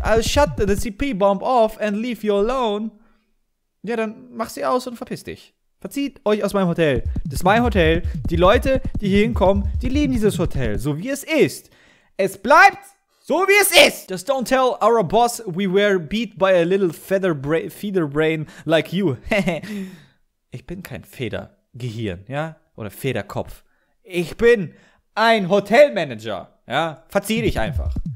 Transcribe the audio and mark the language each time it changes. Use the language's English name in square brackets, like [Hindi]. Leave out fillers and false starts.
[English] I'll shut the CP bomb off and leave you alone. [German] Ja, dann mach sie aus und verpiss dich. Verzieht euch aus meinem Hotel. Das ist mein Hotel. Die Leute, die hier hinkommen, die lieben dieses Hotel, so wie es ist. Es bleibt so, wie es ist. [English] Just don't tell our boss we were beat by a little feather brain like you. [German] Ich bin kein Federgehirn, ja? Oder Federkopf. Ich bin ein Hotelmanager, ja? Verzieh dich einfach.